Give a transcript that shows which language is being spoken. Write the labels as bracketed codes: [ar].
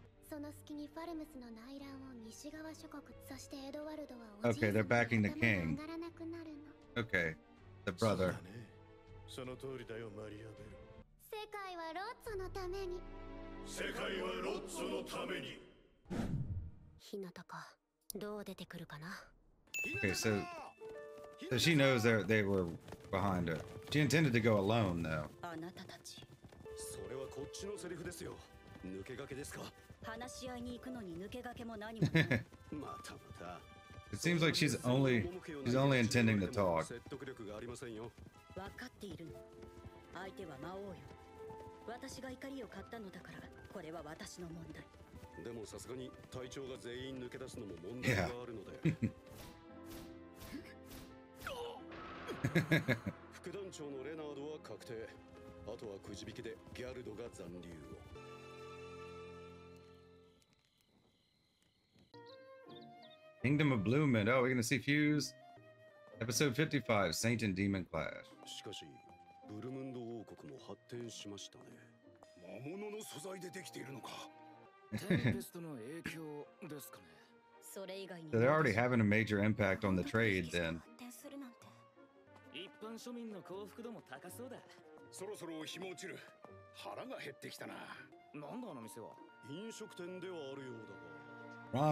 [ja] その隙にファルムスの内乱を西側諸国、そしてエドワルドはおじいさんの頭が上がらなくなるの。 [en] Okay, the brother. [ja] そうだね。その通りだよ、マリアベル。世界はロッツォのために。世界はロッツォのために。ヒナタか、どう出てくるかな。 [en] Okay, so she knows that they were behind her. She intended to go alone, though. [ja] あなたたち。それはこっちのセリフですよ。抜け駆けですか。話し合いに行くのに抜け駆けも何も。またまた。 [en] It seems like she's only intending to talk. [ja] 説得力がありませんよ。分かっているの。相手は魔王よ。私が怒りを買ったのだから、これは私の問題。でもさすがに隊長が全員抜け出すのも問題があるので。副団長のレナードは確定。あとはくじ引きでギャルドが残留を。 [en] Kingdom of Bloomin. Oh, we're gonna see Fuse. Episode 55, Saint and Demon Clash. [ja] しかし、ブルムンド王国も発展しましたね。魔物の素材でできているのか。テンペストの影響ですかね。それ以外に。 [en] So they're already having a major impact on the trade then. [ja] 発展するなんて。一般庶民の幸福度も高そうだ。そろそろ日も落ちる。腹が減ってきたな。なんだあの店は。飲食店ではあるようだが。